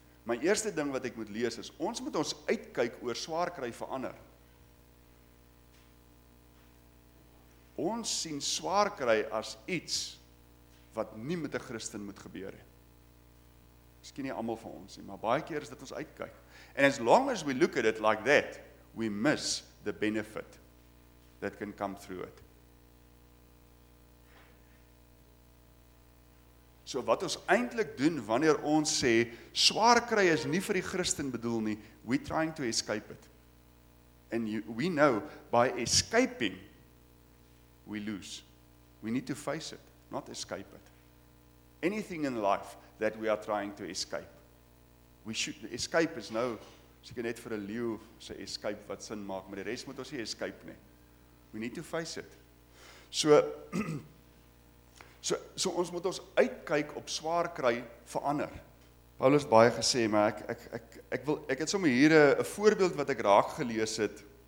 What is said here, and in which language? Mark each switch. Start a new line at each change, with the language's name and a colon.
Afrikaans: My eerste ding wat ek moet lees is, ons moet ons uitkyk oor swaar kry vir ander. ons sien swaar kry as iets wat nie met 'n Christen moet gebeur nie. Miskien nie almal van ons nie, maar baie keer is dit ons uitkyk.
English: And as long as we look at it like that, we miss the benefit that can come through it.
Afrikaans: So wat ons eintlik doen wanneer ons sê swaar kry is nie vir die Christen bedoel nie,
English: we trying to escape it. And you, we know by escaping we lose. We need to face it, not escape it. Anything in life that we are trying to escape. We should escape
Afrikaans: is nou seker net vir 'n leeu se escape wat sin maak, maar die res moet ons nie escape nie.
English: We need to face it.
Afrikaans: So ons moet ons uitkyk op swaar kry vir ander. Paulus baie gesê, maar ek wil ek het sommer hier 'n voorbeeld wat ek raak gelees het.